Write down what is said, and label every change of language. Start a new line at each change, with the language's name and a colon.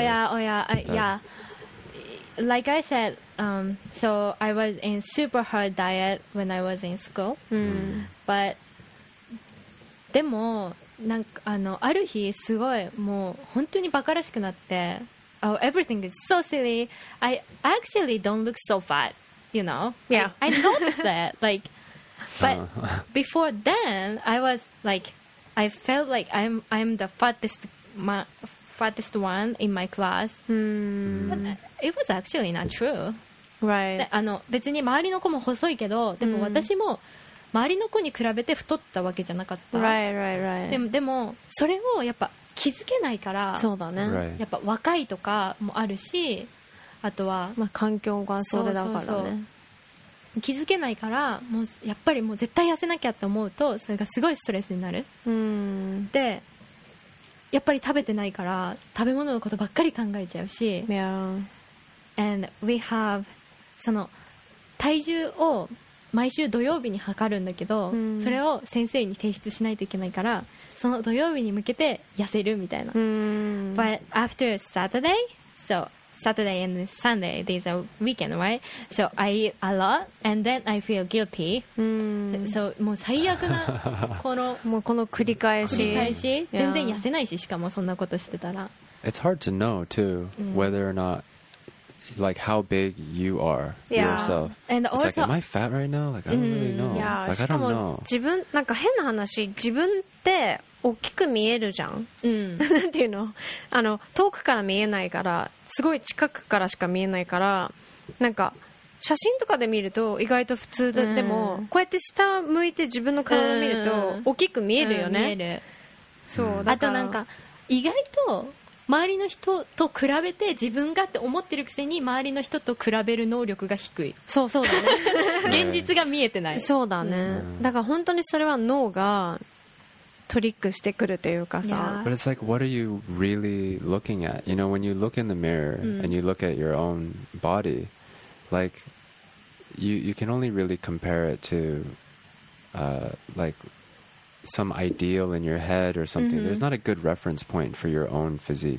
English: yeah like I said so I was in super hard diet when I was in school but
Japanese: でもなんかあのある日すごいもう本当にバカらしくなって
English: oh everything is so silly I actually don't look so fat you know yeah I noticed that like but before then I was likeI felt like I'm the fattest one in my class. But it was actually not true. Right.
Japanese: あの、別に周りの子も細いけど、でも私も周りの子に比べて太ったわけじゃなかった。
English: Right, right, right.
Japanese: でも、それをやっぱ気づけないから、そうだね。
English: Right.
Japanese: やっぱ若いとかもあるし、あとは、まあ、環境がそれだからね。そうそうそう気づけないからもうやっぱりもう絶対痩せなきゃって思うとそれがすごいストレスになるでやっぱり食べてないから食べ物のことばっかり考えちゃうし、
English: yeah. And we have
Japanese: その体重を毎週土曜日に測るんだけどそれを先生に提出しないといけないからその土曜日に向けて痩せるみたいな
English: But after Saturday soSaturday and Sunday, these are weekend, right? So I eat a lot, and then I feel guilty.
Japanese: So, もう最悪なこのもうこの繰り返し、全然痩せないし、しかもそんなことしてたら。
English: It's hard to know too whether or not, like how big you are yourself. And also, it's like, am I fat right now? Like I don't really know. Yeah, like I don't know.
Japanese: 自分なんか変な話、自分って。大きく見えるじゃん。なんていうの？あの遠くから見えないから、すごい近くからしか見えないから、なんか写真とかで見ると意外と普通で、でもこうやって下向いて自分の顔を見ると大きく見えるよね。見える。そうだから。あとなんか意外と周りの人と比べて自分がって思ってるくせに周りの人と比べる能力が低い。そうそうだね。現実が見えてない。そうだね。だから本当にそれは脳がトリックしてくるというかさ、yeah.
English: But it's like, what are you really looking at? You know, when you look in the mirror and you look at your own body, like, you can only really compare it to, like, some ideal in your head or something, mm-hmm. there's not a good reference point for your own physique.